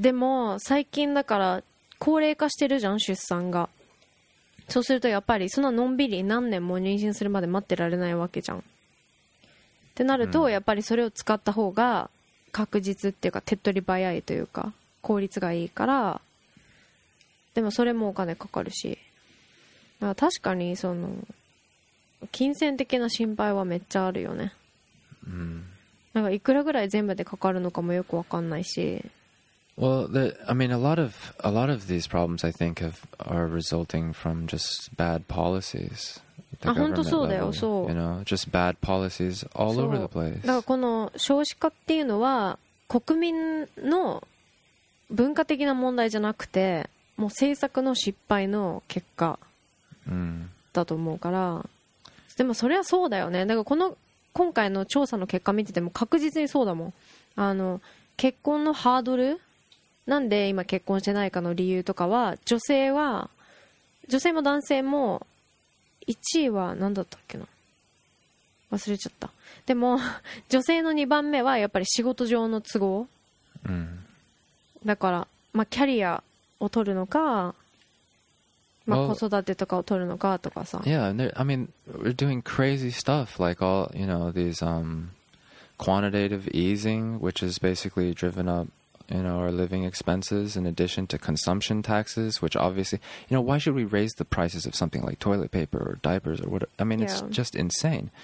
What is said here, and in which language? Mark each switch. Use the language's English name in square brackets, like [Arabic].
[Japanese] でも最近だから高齢化してるじゃん出産がそうするとやっぱりそんなのんびり何年も妊娠するまで待ってられないわけじゃんってなるとやっぱりそれを使った方が確実っていうか手っ取り早いというか効率がいいからでもそれもお金かかるし、まあ、確かにその金銭的な心配はめっちゃあるよね、うん、なんかいくらぐらい全部でかかるのかもよくわかんないし [English] Well, I mean a lot of these problems I think are resulting from just bad policies [Japanese] あ本当そうだよそう [English] you know, just bad policies all over the place. [Japanese] だからこの少子化っていうのは国民の文化的な問題じゃなくてもう政策の失敗の結果だと思うから、うん、でもそれはそうだよねだからこの今回の調査の結果見てても確実にそうだもんあの結婚のハードルなんで今結婚してないかの理由とかは女性も男性も 1位は何だったっけな、忘れちゃった。でも女性の2番目はやっぱり仕事上の都合、うん、だから、まあ、キャリアを取るのか、まあ、子育てとかを取るのかとかさ。 [English] Well, yeah, I mean, we're doing crazy stuff like all, you know, these quantitative easing, which is basically driven up, you know, our living expenses in addition to consumption taxes, which obviously, you know, why should we raise the prices of something like toilet paper or diapers or whatever? I mean, it's just insane.